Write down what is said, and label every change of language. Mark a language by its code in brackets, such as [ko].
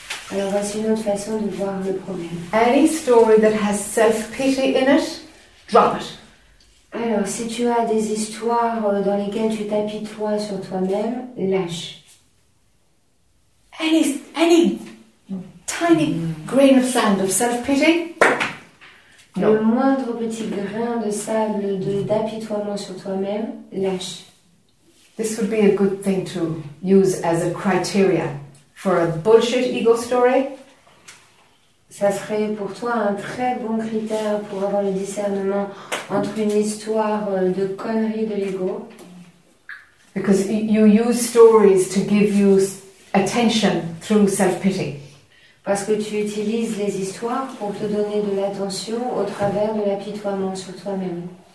[fr] Alors voici une autre façon de voir le problème. [en] Any story that has self-pity in it, drop it. [fr] Alors, si tu as des histoires dans lesquelles tu t'apitoies sur toi-même, lâche. [en] Any tiny grain of sand of self-pity? [fr] Non. Le moindre petit grain de sable d'apitoiement sur toi-même, lâche. [en] This would be a good thing to use as a criteria for a bullshit ego story. [fr] Ça serait pour toi un très bon critère pour avoir le discernement entre une histoire de connerie de l'ego. [en] Because you use stories to give you attention through self-pity. [fr] Parce que tu utilises les histoires pour te donner de l'attention au travers de l'apitoiement sur toi-même.